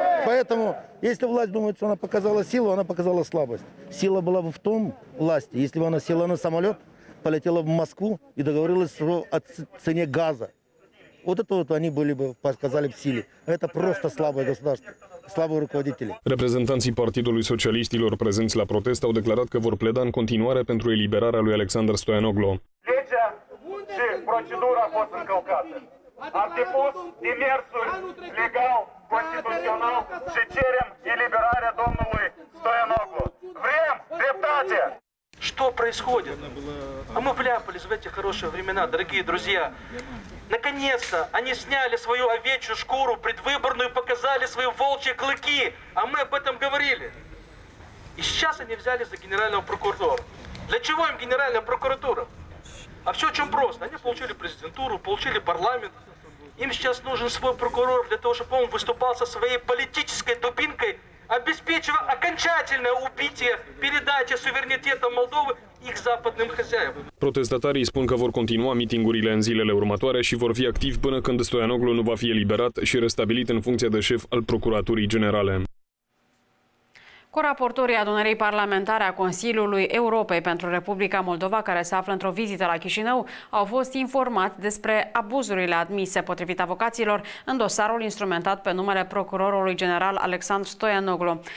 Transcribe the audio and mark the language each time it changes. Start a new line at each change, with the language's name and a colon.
Russian: Поэтому, если власть думает, что она показала силу, она показала слабость. Сила была бы в том, власти, если бы она села на самолет, полетела в Москву и договорилась о цене газа. Вот это вот они были бы, показали бы силе. Это просто слабое государство.
Romanian: Reprezentanții Partidului Socialiștilor prezenți la protest au declarat că vor pleda în continuare pentru eliberarea lui Alexandru Stoianoglu. Legea și procedura a fost încălcată. Am depus demersul legal, constituțional și cerem eliberarea domnului Stoianoglu. Vrem dreptate!
Russian: Что происходит? А мы вляпались в эти хорошие времена, дорогие друзья. Наконец-то они сняли свою овечью шкуру предвыборную и показали свои волчьи клыки. А мы об этом говорили. И сейчас они взяли за генерального прокурора. Для чего им генеральная прокуратура? А все очень просто. Они получили президентуру, получили парламент. Им сейчас нужен свой прокурор для того, чтобы он выступал со своей политической дубинкой, обеспечивая окончательное убитие передачи суверенитета Молдовы их западным хозяевам.
Romanian: Протестатарии spun că vor continua mitingurile în zilele următoare și vor fi activi până când Stoianoglu nu va fi eliberat și restabilit în funcția de șef al Procuraturii Generale. Coraportorii adunării parlamentare a Consiliului Europei pentru Republica Moldova, care se află într-o vizită la Chișinău, au fost informați despre abuzurile admise potrivit avocaților în dosarul instrumentat pe numele procurorului general Alexandru Stoianoglu.